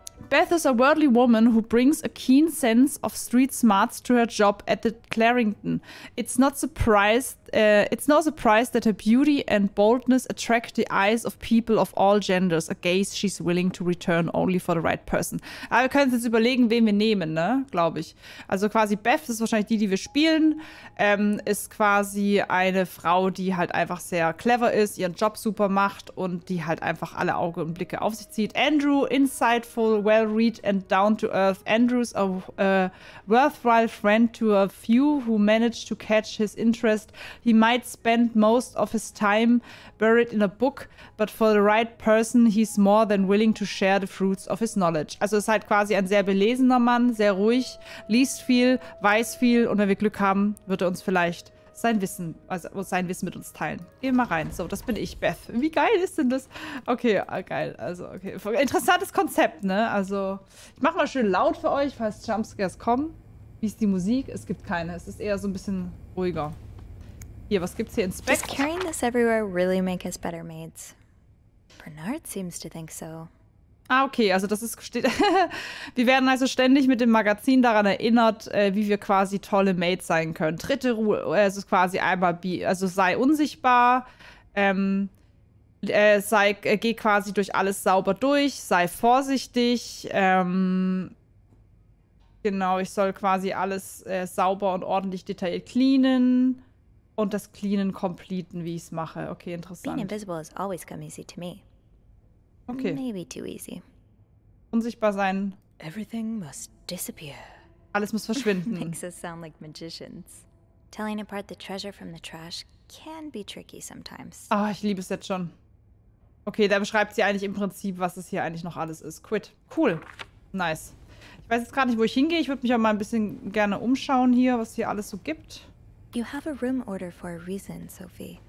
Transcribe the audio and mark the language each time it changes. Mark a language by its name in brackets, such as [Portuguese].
[English] Beth is a worldly woman who brings a keen sense of street smarts to her job at the Clarington. It's no surprise that her beauty and boldness attract the eyes of people of all genders, a gaze she's willing to return only for the right person. [German] Aber wir können uns jetzt überlegen, wen wir nehmen, ne? Glaube ich. Also quasi Beth ist wahrscheinlich die, die wir spielen, ist quasi eine Frau, die halt einfach sehr clever ist, ihren Job super macht und die halt einfach alle Augen und Blicke auf sich zieht. [English] Andrew, insightful, well-read and down-to-earth. Andrew's a worthwhile friend to a few who manage to catch his interest. He might spend most of his time buried in a book, but for the right person, he's more than willing to share the fruits of his knowledge. [German] Also ist halt quasi ein sehr belesener Mann, sehr ruhig, liest viel, weiß viel und wenn wir Glück haben, wird er uns vielleicht sein Wissen mit uns teilen. Gehen wir mal rein. So, das bin ich, Beth. Wie geil ist denn das? Okay, geil. Also, okay. Interessantes Konzept, ne? Also, ich mach mal schön laut für euch, falls Jumpscares kommen. Wie ist die Musik? Es gibt keine. Es ist eher so ein bisschen ruhiger. Hier, was gibt's hier? Inspect. [English] Does kindness everywhere really make us better maids? Bernard seems to think so. [German] Ah, okay, also das ist, steht, wir werden also ständig mit dem Magazin daran erinnert, wie wir quasi tolle Mates sein können. Dritte Ruhe, es ist quasi einmal, also sei unsichtbar, geh quasi durch alles sauber durch, sei vorsichtig, genau, ich soll quasi alles sauber und ordentlich detailliert cleanen und das Cleanen completen, wie ich es mache. Okay, interessant. [English] Being invisible has always come easy to me. Okay. Maybe too easy. [German] Unsichtbar sein. [English] Everything must disappear. [German] Alles muss verschwinden. [English] Makes us sound like magicians. Telling apart the treasure from the trash can be tricky sometimes. [German] Ah, oh, ich liebe es jetzt schon. Okay, da beschreibt sie eigentlich im Prinzip, was es hier eigentlich noch alles ist. Quit. Cool. Nice. Ich weiß jetzt gerade nicht, wo ich hingehe. Ich würde mich auch mal ein bisschen gerne umschauen hier, was hier alles so gibt. [English] You have a room order for a reason, Sophie.